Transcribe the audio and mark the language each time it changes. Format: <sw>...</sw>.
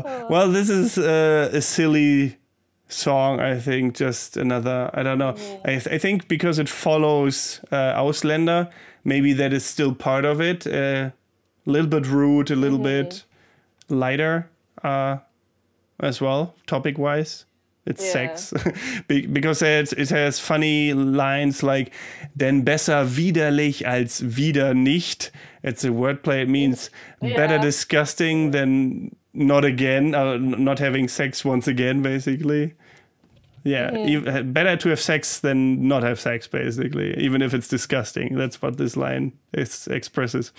<en>Well, this is a silly song, I think. Just another, I don't know. I think because it follows Ausländer, maybe that is still part of it. A little bit rude, a little bit lighter as well, topic-wise. It's sex. Because it has funny lines like,</en> <de>denn besser widerlich als wieder nicht.</de> <en>It's a wordplay. It means better disgusting than not again, not having sex once again, basically. Yeah, better to have sex than not have sex, basically, even if it's disgusting. That's what this line expresses.</en>